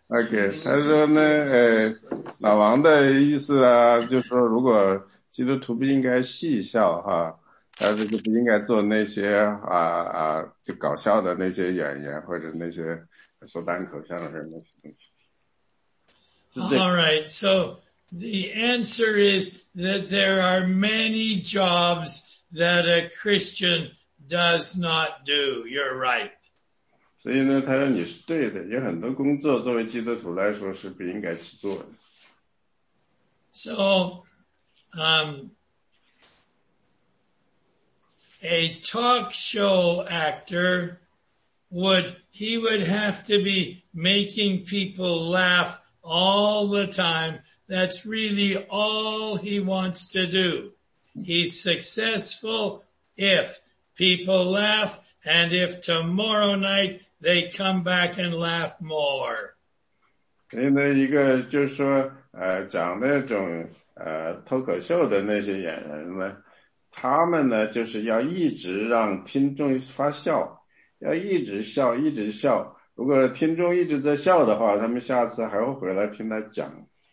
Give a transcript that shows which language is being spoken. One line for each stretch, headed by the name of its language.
Chinese: Okay， 他说呢，老王的意思啊，就是说如果基督徒不应该戏笑哈，他这个不应该做那些啊就搞笑的那些演员或者那些说单口相声那些东西。
English: All right, so the answer is that there are many jobs that a Christian does not do. You're right.
Chinese: 所以呢，他说你是对的，有很多工作作为基督徒来说是不应该去做的。
English: So, a talk show actor would have to be making people laugh. All the time, that's really all he wants to do. He's successful if people laugh and if tomorrow night they come back and laugh more.
Chinese: 所以呢，一个就是说，讲那种脱口秀的那些演员呢，他们呢就是要一直让听众发笑，要一直笑，一直笑。如果听众一直在笑的话，他们下次还会回来听他讲。